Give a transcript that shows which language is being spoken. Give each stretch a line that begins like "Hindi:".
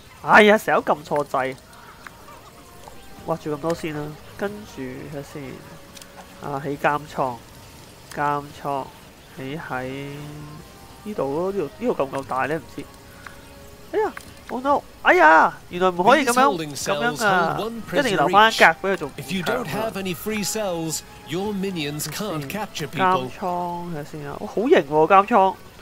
Chinese: 哎呀，成日都揿错掣，挖住咁多先啦。跟住睇先，啊，起监仓，监仓起喺呢度咯。呢度够唔够大咧？唔知。哎呀 ，
English: oh no！
Chinese: 哎呀，原来唔可以咁样啊！一定要留翻一格俾佢做。
English: If you don't have any free cells, your minions can't capture people。
Chinese: 监仓睇先啊，哇，好型喎监仓。